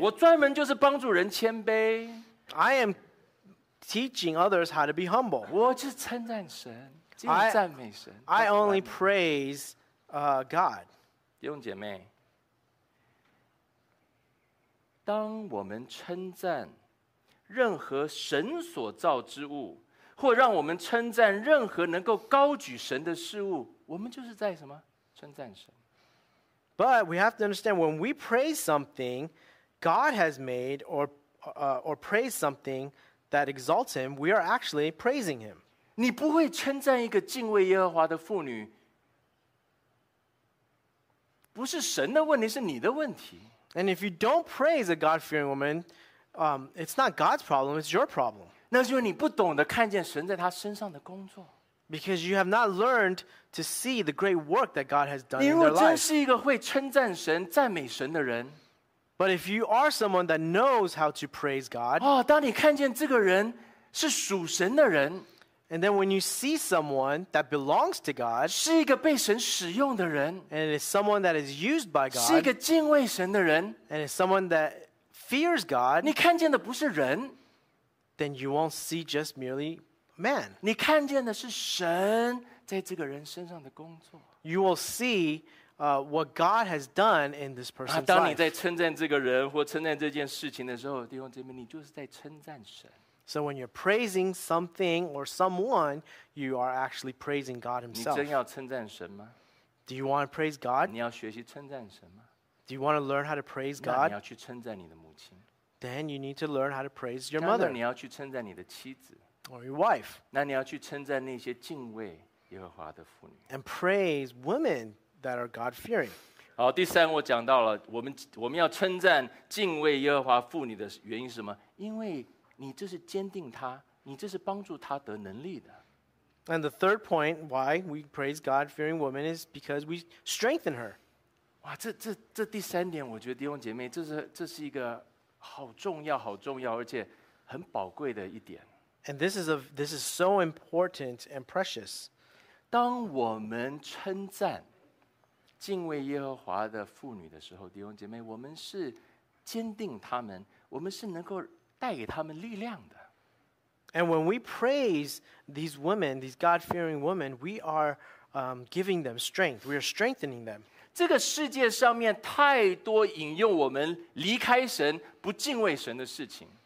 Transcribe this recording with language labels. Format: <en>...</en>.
<zh>我专门就是帮助人谦卑。</zh> <en>I am teaching others how to be humble.</en> <zh>我就称赞神，就赞美神。</zh> <en>I only praise God.</en> <zh>弟兄姐妹，当我们称赞任何神所造之物，或让我们称赞任何能够高举神的事物，我们就是在什么？称赞神。</zh> <en>But we have to understand when we praise something God has made or praise something that exalts Him, we are actually praising Him.</en> <zh>你不会称赞一个敬畏耶和华的妇女，不是神的问题，是你的问题。</zh> <en>And if you don't praise a God-fearing woman, it's not God's problem, it's your problem.</en> <zh>那是因为你不懂得看见神在他身上的工作。</zh> <en>Because you have not learned to see the great work that God has done in your life.</en> <zh>你如果真是一个会称赞神、赞美神的人。</zh> <en>But if you are someone that knows how to praise God.</en> <zh>哦，当你看见这个人是属神的人。</zh> <en>And then when you see someone that belongs to God,</en> <zh>是一个被神使用的人,</zh> <en>and it is someone that is used by God,</en> <zh>是一个敬畏神的人,</zh> <en>and it's someone that fears God,</en> <zh>你看见的不是人,</zh> <en>then you won't see just merely man.</en> <zh>你看见的是神在这个人身上的工作。</zh> <en>You will see what God has done in this person's life.</en> <zh>当你在称赞这个人或称赞这件事情的时候，弟兄姐妹，你就是在称赞神。</zh> <en>So when you're praising something or someone, you are actually praising God himself.</en> <zh>你真要称赞神吗?</zh> <en>Do you want to praise God?</en> <zh>你要学习称赞神吗?</zh> <en>Do you want to learn how to praise God?</en> <zh>那你要去称赞你的母亲。</zh> <en>Then you need to learn how to praise your mother.</en> <zh>那你要去称赞你的妻子。</zh> <en>Or your wife.</en> <zh>那你要去称赞那些敬畏耶和华的妇女。</zh> <en>And praise women that are God-fearing.</en> <zh>好，第三我讲到了，我们要称赞敬畏耶和华妇女的原因是什么？因为你这是坚定他，你这是帮助他得能力的。</zh> <en>And the third point why we praise God-fearing woman is because we strengthen her.</en> <zh>哇，这第三点，我觉得弟兄姐妹，这是一个好重要、好重要，而且很宝贵的一点。</zh> <en>And this is so important and precious.</en> <zh>当我们称赞敬畏耶和华的妇女的时候，弟兄姐妹，我们是坚定他们，我们是能够带给他们力量的。</zh> <en>And when we praise these women, these God-fearing women, we are giving them strength. We are strengthening them.</en> <zh>这个世界上面太多引诱我们离开神、不敬畏神的事情。</zh>